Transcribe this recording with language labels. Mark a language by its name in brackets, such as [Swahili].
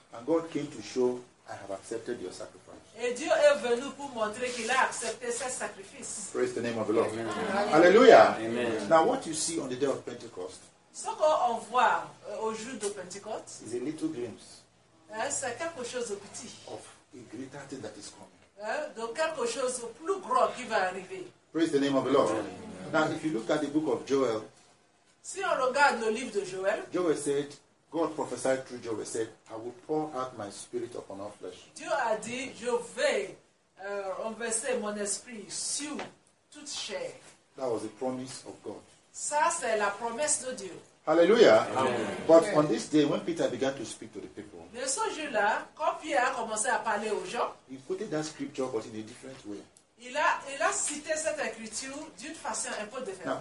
[English] And God came to show, I have accepted your sacrifice. [French] Et Dieu est venu pour montrer qu'il a accepté ce sacrifice. [English] Praise the name of the Lord. Amen. [French] Alléluia. Amen. [English] Now, what you see on the day of Pentecost, [French] ce qu'on voit au jour de Pentecôte, [English] is a little glimpse, [French] c'est quelque chose de petit, [English] of a greater thing that is coming, [French] de quelque chose de plus grand qui va arriver. [English] Praise the name of the Lord. Amen. Now, if you look at the book of Joel, [French] si on regarde le livre de Joël, [English] Joel said, God prophesied through Joel, said, I will pour out my spirit upon all flesh. [French] Dieu a dit, je vais renverser mon esprit sur toute chair. [English] That was the promise of God. [French] Ça, c'est la promesse de Dieu. [English] Hallelujah. Amen. But on this day, when Peter began to speak to the people, [French] mais ce jour-là, quand Pierre a commencé à parler aux gens, [English] he quoted that scripture, but in a different way. [French] Il a cité cette écriture d'une façon un peu différente.